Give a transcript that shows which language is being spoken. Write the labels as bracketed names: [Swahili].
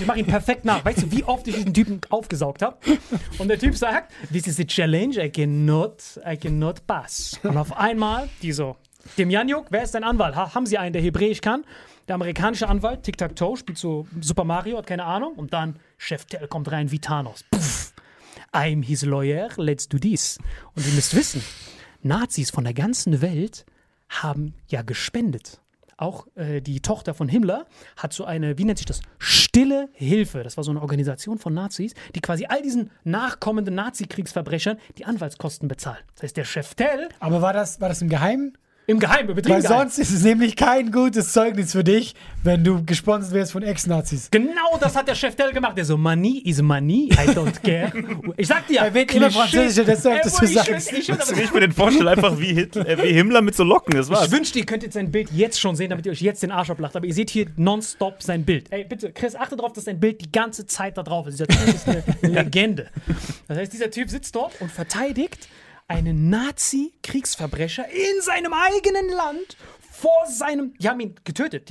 [German] Ich mache ihn perfekt nach. Weißt du, wie oft ich diesen Typen aufgesaugt habe? Und der Typ sagt, [English] this is a challenge, I cannot pass. [German] Und auf einmal, die so, Demjanjuk, wer ist dein Anwalt? Haben sie einen, der Hebräisch kann? Der amerikanische Anwalt, Tic-Tac-Toe, spielt so Super Mario, hat keine Ahnung. Und dann, Cheftel kommt rein wie Thanos. Puff. [English] I'm his lawyer, let's do this. [German] Und ihr müsst wissen, Nazis von der ganzen Welt haben ja gespendet. Auch die Tochter von Himmler hat so eine, wie nennt sich das, Stille Hilfe. Das war so eine Organisation von Nazis, die quasi all diesen nachkommenden Nazi-Kriegsverbrechern die Anwaltskosten bezahlt. Das heißt, der Cheftel... Aber war das im Geheimen? Im Geheimen, im Betrieb. Weil sonst ist es nämlich kein gutes Zeugnis für dich, wenn du gesponsert wärst von Ex-Nazis. Genau das hat der Chef Dell gemacht. Der so, [English] money is money, I don't care. [German] Ich sag dir, wenn immer französischer, desto öfters du sagst. Ich bin den Vorstellen einfach wie, Hitler, wie Himmler mit so Locken. Das war's. Ich wünschte, ihr könnt jetzt sein Bild jetzt schon sehen, damit ihr euch jetzt den Arsch ablacht. Aber ihr seht hier nonstop sein Bild. Ey, bitte, Chris, achte drauf, dass dein Bild die ganze Zeit da drauf ist. Dieser Typ ist eine Legende. Das heißt, dieser Typ sitzt dort und verteidigt einen Nazi-Kriegsverbrecher in seinem eigenen Land vor seinem... Die haben ihn getötet.